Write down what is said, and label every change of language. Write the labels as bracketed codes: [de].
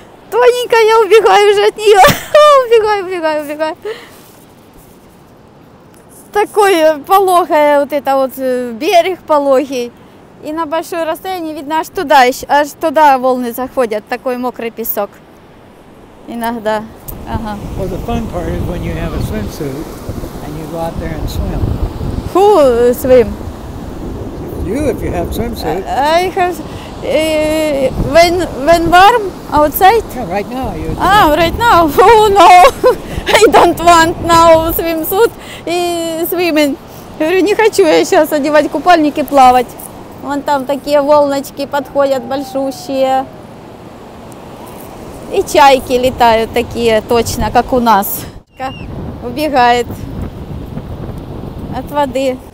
[ru] Тоненько я убегаю уже от нее. Убегаю, убегаю, убегаю. Такой пологий вот это вот берег пологий. И на большое расстояние видно, аж туда волны заходят. Такой мокрый песок. Иногда. Ага. [en] Well, the fun part is when you have a swimsuit and you go out there and swim. Who swim? You, if you have swimsuit. I have. When warm outside? Yeah, right now. Right now. Oh no, I don't want now swimsuit и swimming. [ru] Я говорю, не хочу я сейчас одевать купальник и плавать. Вон там такие волночки подходят большущие. И чайки летают такие точно, как у нас. Убегает от воды.